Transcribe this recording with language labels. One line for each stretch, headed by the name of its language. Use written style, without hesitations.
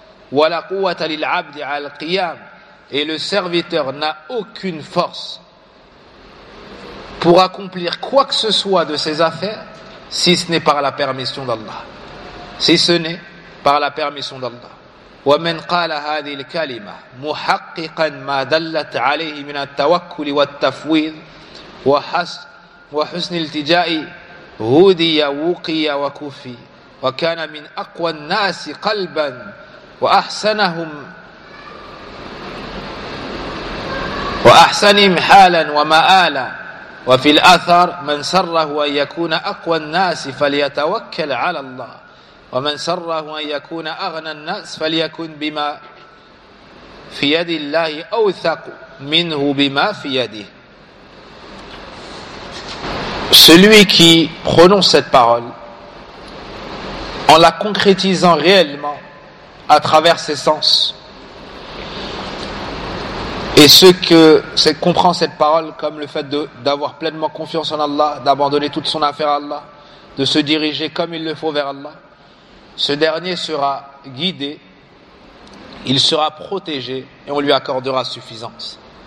Arabic: Wa la quwwata lil 'abdi 'ala al-qiyam.
French: Et le serviteur n'a aucune force pour accomplir quoi que ce soit de ses affaires, si ce n'est par la permission d'Allah. Si ce n'est par la permission d'Allah.
Arabic: ومن قال هذه الكلمة محققا ما دلت عليه من التوكل والتفويض وحسن الالتجاء هودي وقي وكفي وكان من أقوى الناس قلبا وأحسنهم حالا ومآلا وفي الأثر من سره أن يكون أقوى الناس فليتوكل على الله ومن سره أن يكون أغنى الناس فليكن بما في يد الله أوثق منه بما في يده.
French: Celui qui prononce cette parole en la concrétisant réellement à travers ses sens, et ceux qui comprennent cette parole comme le fait d'avoir pleinement confiance en Allah, d'abandonner toute son affaire à Allah, de se diriger comme il le faut vers Allah, ce dernier sera guidé, il sera protégé et on lui accordera suffisance.